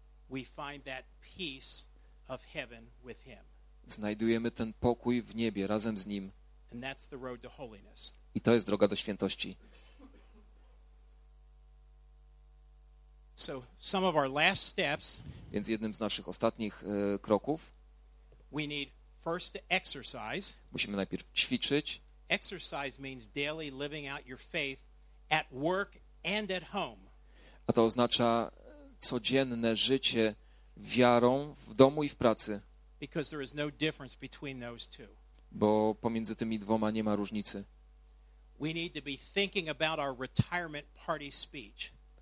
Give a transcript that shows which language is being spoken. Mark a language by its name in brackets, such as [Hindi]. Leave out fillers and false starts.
[English] we find that peace of heaven with him. [Polish] Znajdujemy ten pokój w niebie razem z nim. [English] And that's the road to holiness. [Polish] I to jest droga do świętości. [English] So some of our last steps, [Polish] więc jednym z naszych ostatnich kroków, [English] we need first to exercise. [Polish] Musimy najpierw ćwiczyć. [English] Exercise means daily living out your faith at work and at home. [Polish] A to oznacza codzienne życie wiarą w domu i w pracy. [English] Because there is no difference between those two. [Polish] Bo pomiędzy tymi dwoma nie ma różnicy. [English] We need to be thinking about our retirement party speech.